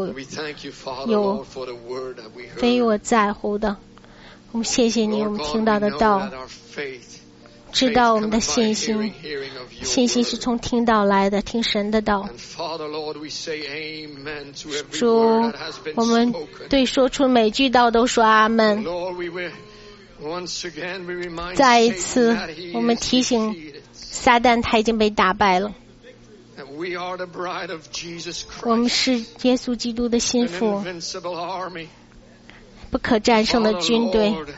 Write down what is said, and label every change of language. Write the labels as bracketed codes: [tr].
[en] We thank you, Father, Lord, for the word that we heard. [zh] 非我在乎的。我们谢谢你，我们听到的道。知道我们的信心。信心是从听到来的，听神的道。 [en] And Father, Lord, we say amen to every word that has been spoken. [zh] 我们对说出每句道都说阿门。 [en] Lord, we will. Once again, we remind [zh] 再一次我们提醒撒旦他已经被打败了。我们是耶稣基督的心腹，不可战胜的军队。